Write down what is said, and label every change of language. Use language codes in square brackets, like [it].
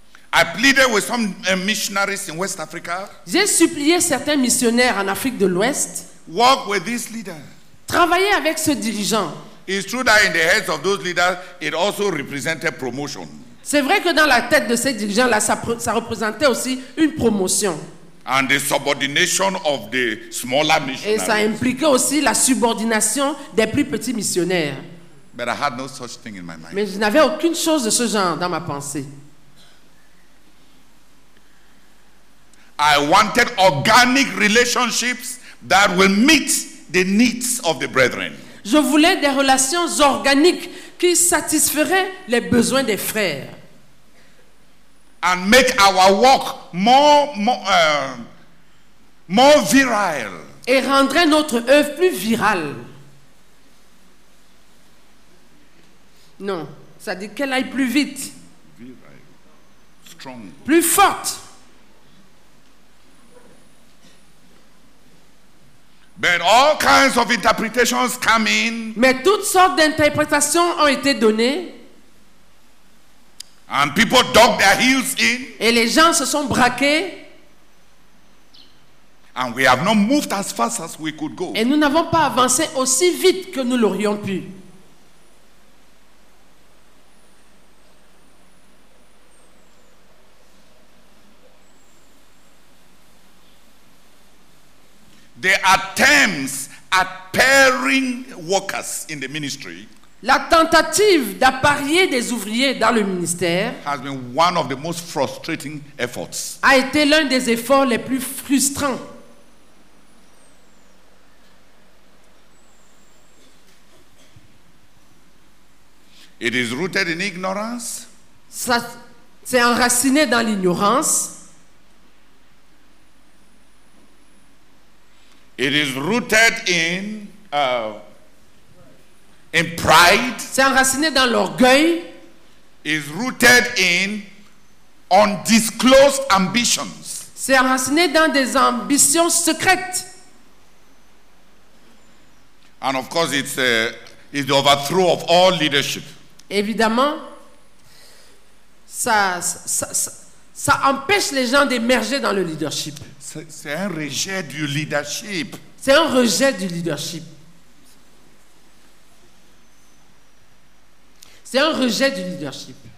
[en] I pleaded with some missionaries in West Africa. [fr] J'ai supplié certains missionnaires en Afrique de l'Ouest. [en] Work with this leader. [fr] Travailler avec ce dirigeant. [en] It's true that in the heads of those leaders, it also represented promotion. [fr] C'est vrai que dans la tête de ces dirigeants-là, ça représentait aussi une promotion. [en] And the subordination of the smaller missionaries. [fr] Et ça impliquait aussi la subordination des plus petits missionnaires. [en] But I had no such thing in my mind. [fr] Mais je n'avais aucune chose de ce genre dans ma pensée. [en] I wanted organic relationships that will meet the needs of the brethren. [fr] Je voulais des relations organiques qui satisferaient les besoins des frères. [en] And make our work more virile. [fr] Et rendrait notre œuvre plus virale. Non, ça dit qu'elle aille plus vite. [en] Virile. Strong. [fr] Plus forte. [en] But all kinds of interpretations come in. [fr] Mais toutes sortes d'interprétations ont été données. [en] And people dug their heels in. [fr] Et les gens se sont braqués. [en] And we have not moved as fast as we could go. [fr] Et nous n'avons pas avancé aussi vite que nous l'aurions pu. [en] The attempts at pairing workers in the ministry. [fr] La tentative d'apparier des ouvriers dans le ministère [en] has been one of the most frustrating efforts. [fr] A été l'un des efforts les plus frustrants. [en] It is rooted in ignorance. [fr] Ça, c'est enraciné dans l'ignorance. [en] It is rooted in pride. [fr] C'est enraciné dans l'orgueil. [en] Is rooted in undisclosed ambitions. [fr] C'est enraciné dans des ambitions secrètes. [en] And of course, it's the overthrow of all leadership. [fr] Évidemment, ça empêche les gens d'émerger dans le leadership. C'est un rejet du leadership. C'est un rejet du leadership. C'est un rejet du leadership.